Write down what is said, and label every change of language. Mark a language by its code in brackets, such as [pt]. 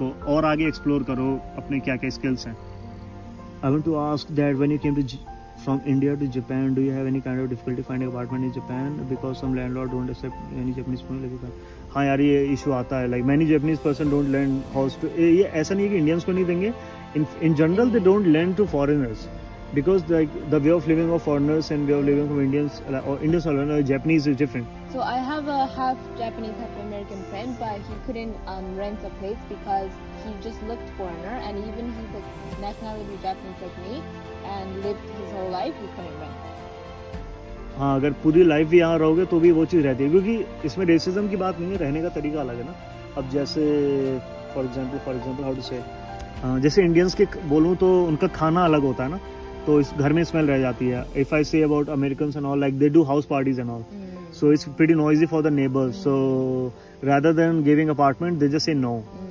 [hi] तो और आगे एक्सप्लोर करो अपने क्या क्या स्किल्स हैं। [en] I want to ask that when you came to from India to Japan, do you have any kind of difficulty finding apartment in Japan because some landlord don't accept any Japanese person living. [hi] हाँ यार ये issue आता है, [en] like many Japanese person don't land house to, [hi] ये ऐसा नहीं है कि इंडियंस को नहीं देंगे, [en] In general they don't land to foreigners because like the way of living of foreigners and way of living from Indians like, or Indians or no, Japanese is different. So I have a half Japanese half American friend, but he couldn't rent a place because he just looked foreigner, and even he was nationality Japanese like me and lived his whole life, he couldn't rent. [hi] हाँ अगर पूरी life भी यहाँ रहोगे तो भी वो चीज़ रहती है, क्योंकि इसमें रेसिज्म की बात नहीं है, रहने का तरीका अलग है ना। अब जैसे [en] for example how to say, [hi] जैसे इंडियंस के बोलूँ तो उनका खाना अलग होता है ना, तो इस घर में स्मेल रह जाती है। [en] If I say about American and all, like they do house parties and all, so it's pretty noisy for the neighbours, so rather than giving apartment they just say no.